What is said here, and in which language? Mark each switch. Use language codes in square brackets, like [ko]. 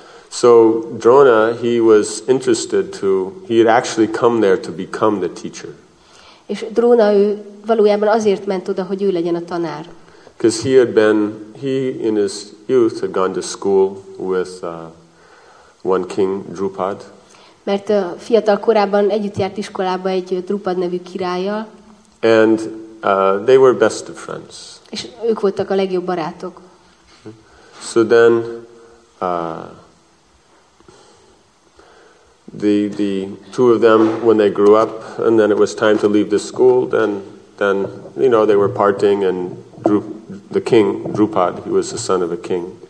[en] So Drona, he was interested to. He had actually come there to become the teacher. [hu] És Drona ő valójában azért ment oda, hogy ő legyen a tanár. [en] Because he in his youth had gone to school with one king Drupad. [hu] Mert a fiatal korában együtt járt iskolába egy Drupad nevű királlyal. [en] And they were best of friends. [hu] És ők voltak a legjobb barátok. [en] So then the two of them, when they grew up, and then it was time to leave the school, then you know they were parting, and the king Drupad, he was the son of a king.